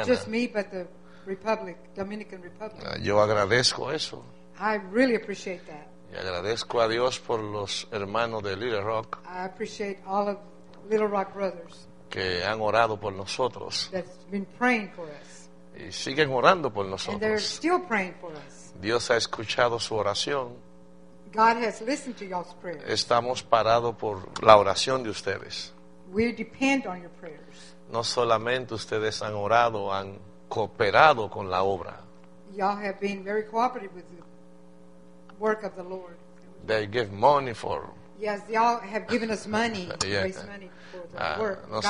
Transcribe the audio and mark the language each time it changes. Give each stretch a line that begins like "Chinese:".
English: Not just me, but the Republic, Dominican Republic.
Spanish: Yo agradezco eso.
English: I really appreciate that.
Spanish: Y agradezco a Dios por los hermanos de Little Rock.
English: I appreciate all of Little Rock brothers.
Spanish: Que han orado por nosotros.
English: That's been praying for us.
Spanish: Y siguen orando por nosotros.
English: And they're still praying for us.
Spanish: Dios ha escuchado su oración.
English: God has listened to y'all's prayers.
Spanish: Estamos parados por la oración de ustedes.
English: We depend on your prayers.
Spanish: No solamente ustedes han orado, han cooperado con la obra.
English: Y'all have been very cooperative with you. Work of the Lord. They give money for. Yes, y'all have given us money. Yeah. Raise money for the work.